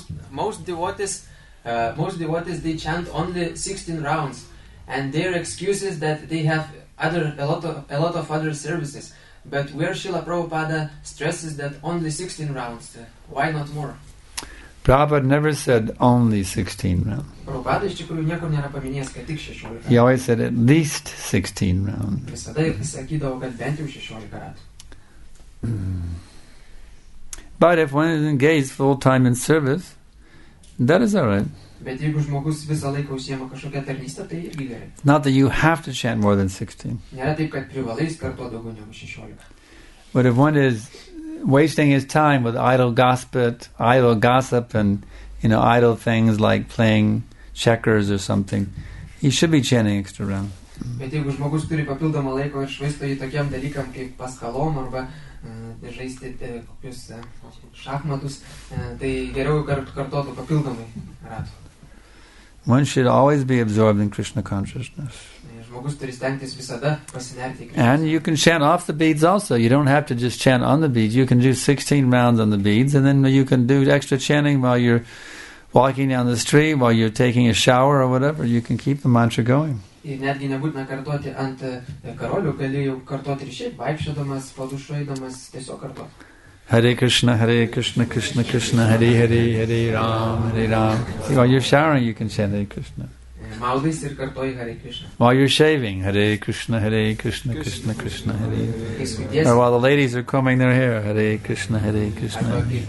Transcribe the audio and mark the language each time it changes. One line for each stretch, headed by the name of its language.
English: Most devotees they chant only 16 rounds and their excuses that they have a lot of other services. But where Srila Prabhupada stresses that only 16 rounds, why not more? Prabhupada never said only 16 rounds.
Lithuanian: Prabhupada iš tikrųjų niekur nėra paminėjęs, kad tik 16
English: rounds. He always said at least 16 rounds.
Lithuanian: Visada sakydavo, kad bent jau 16 rounds.
English: But if one is engaged full-time in service, that is all right.
Lithuanian: Bet jeigu žmogus visą laiką užsiema kažkokią tarnystę, tai irgi gerai.
English: Not that you have to chant more than 16.
Lithuanian: Nėra taip, kad privalai kartuoti daugiau negu 16.
English: But if one is wasting his time with idle gossip and, you know, idle things like playing checkers or something, he should be chanting extra round.
Lithuanian: Bet jeigu žmogus turi papildomą laiką ir švaisto jį tokiam dalykam kaip paskalom arba žaisti kokius šachmatus, tai geriau kartuotų papildomai ratų.
English: One should always be absorbed in Krishna consciousness.
Lithuanian: žmogus turi stengtis visada pasinerti į Krishną.
English: And you can chant off the beads also. You don't have to just chant on the beads. You can do 16 rounds on the beads and then you can do extra chanting while you're walking down the street, while you're taking a shower or whatever. You can keep the mantra going.
Lithuanian: Ir netgi nebūtina kartuoti ant karolių, gali jau kartuoti ir šiaip vaikščiodamas, po dušu eidamas, tiesiog kartuoti.
Sanskrit: Hare Krishna, Krishna Krishna, Hare Hare, Hare Ram, Hare Ram.
English: See, while you're showering, you can chant Hare Krishna.
Lithuanian: Maudais ir kartoji Hare Krishna.
English: While you're shaving, Hare Krishna, Hare Krishna, Krishna Krishna, Hare Hare. Or while the ladies are combing their hair, Hare Krishna, Hare Krishna.